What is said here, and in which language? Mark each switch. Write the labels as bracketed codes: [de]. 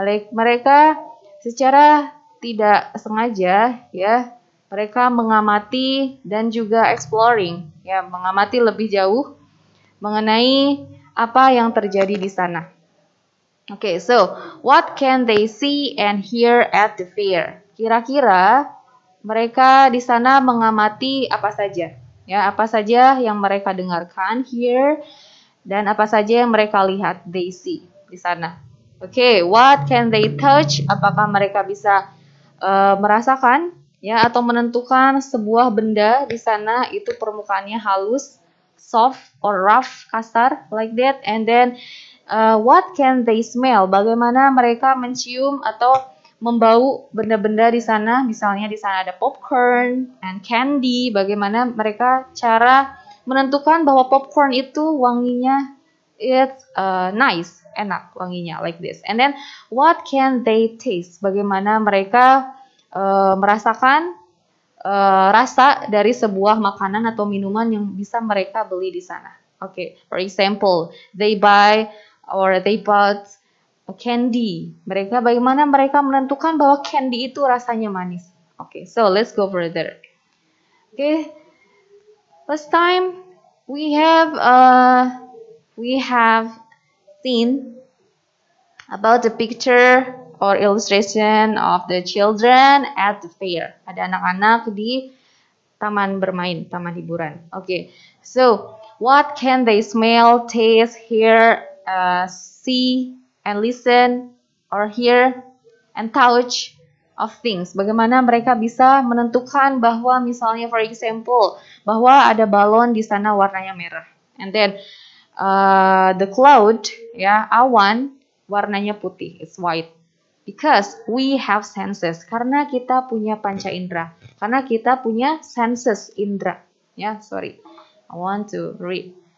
[id] Mereka secara tidak sengaja, ya, mereka mengamati dan juga exploring, ya, mengamati lebih jauh mengenai apa yang terjadi di sana. [en] Okay, so what can they see and hear at the fair? [id] Kira-kira mereka di sana mengamati apa saja? Ya, apa saja yang mereka dengarkan here dan apa saja yang mereka lihat [en] they see [id] di sana? [en] Okay, what can they touch? [id] Apakah mereka bisa merasakan ya atau menentukan sebuah benda di sana itu permukaannya halus, [en] soft or rough, kasar like that, and then what can they smell? [id] Bagaimana mereka mencium atau membau benda-benda di sana? Misalnya di sana ada popcorn and candy. Bagaimana mereka cara menentukan bahwa popcorn itu wanginya [en] it's nice, [id] enak wanginya, [en] like this. And then, what can they taste? [id] Bagaimana mereka merasakan rasa dari sebuah makanan atau minuman yang bisa mereka beli di sana? [en] Okay, for example, they buy or they bought candy. [id] Mereka bagaimana mereka menentukan bahwa candy itu rasanya manis? [en] Okay, so let's go further. Okay, first time we have seen about the picture or illustration of the children at the fair. [id] Ada anak-anak di taman bermain, taman hiburan. [en] Okay, so what can they smell, taste, hear, see, and listen, or hear, and touch of things? [id] Bagaimana mereka bisa menentukan bahwa misalnya, [en] for example, [id] bahwa ada balon di sana warnanya merah. [en] And then, the cloud, awan, [id] warnanya putih, [en] it's white. Because we have senses, [id] karena kita punya panca indera, karena kita punya senses indera, [en] I want to read.